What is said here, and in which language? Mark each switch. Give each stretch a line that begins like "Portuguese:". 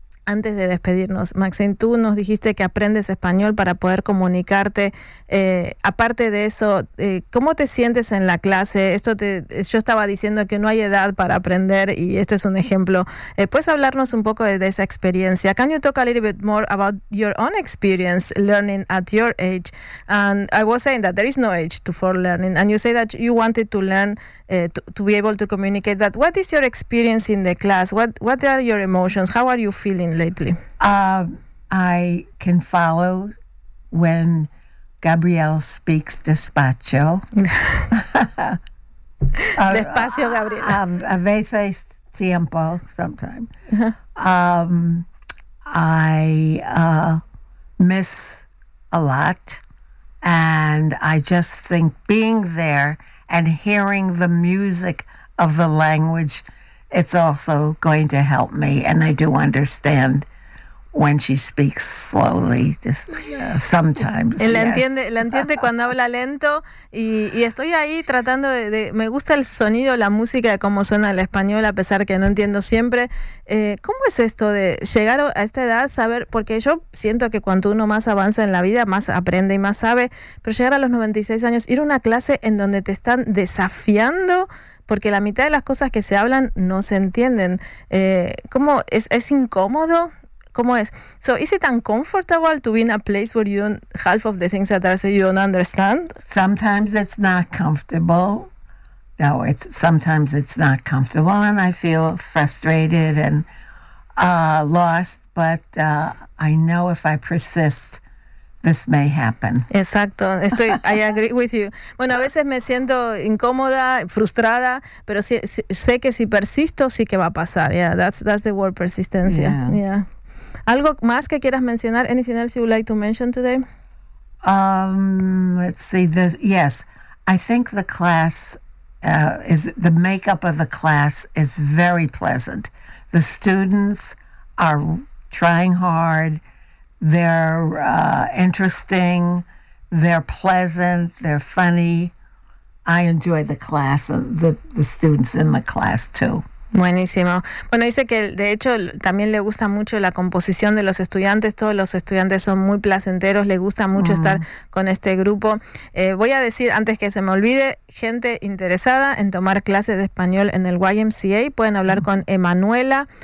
Spanish: Antes de despedirnos, Maxine, tú nos dijiste que aprendes español para poder comunicarte. Aparte de eso, ¿cómo te sientes en la clase? Yo estaba diciendo que no hay edad para aprender y esto es un ejemplo. ¿Puedes hablarnos un poco de esa experiencia?
English: Can you talk a little bit more about your own experience learning at your age? And I was saying that there is no age for learning, and you say that you wanted to learn to be able to communicate. But what is your experience in the class? What are your emotions? How are you feeling lately? I can follow when Gabrielle speaks despacho.
Spanish: Despacio, Gabriela. A veces tiempo,
English: sometimes.
Spanish: Uh-huh.
English: I miss a lot, and I just think being there and hearing the music of the language, it's also going to help me, and I do understand when she speaks slowly, just sometimes.
Spanish: La entiende cuando habla lento y estoy ahí tratando de me gusta el sonido, la música de cómo suena el español a pesar que no entiendo siempre. ¿Cómo es esto de llegar a esta edad, saber? Porque yo siento que cuanto uno más avanza en la vida, más aprende y más sabe. Pero llegar a los 96 años, ir a una clase en donde te están desafiando. Porque la mitad de las cosas que se hablan no se entienden. ¿Cómo es incómodo? ¿Cómo es?
English: So, is it uncomfortable to be in a place where you don't, half of the things that are said you don't understand? Sometimes it's not comfortable. No, it's sometimes it's not comfortable, and I feel frustrated and lost. But I know if I persist, this may happen.
Spanish: Exacto. Estoy,
English: I agree with you.
Spanish: Bueno, a veces me siento incómoda, frustrada, pero sé que si persisto, sí que va a pasar.
English: Yeah, that's the word,
Spanish: persistencia. Yeah. ¿Algo más que quieras mencionar?
English: Anything else you would like to mention today? Let's see. Yes. I think the class, is the makeup of the class is very pleasant. The students are trying hard. They're interesting, they're pleasant, they're funny. I enjoy the class, the students in the class too.
Spanish: Buenísimo. Bueno, dice que de hecho también le gusta mucho la composición de los estudiantes. Todos los estudiantes son muy placenteros. Le gusta mucho estar con este grupo. Voy a decir, antes que se me olvide, gente interesada en tomar clases de español en el YMCA, pueden hablar con Emanuela.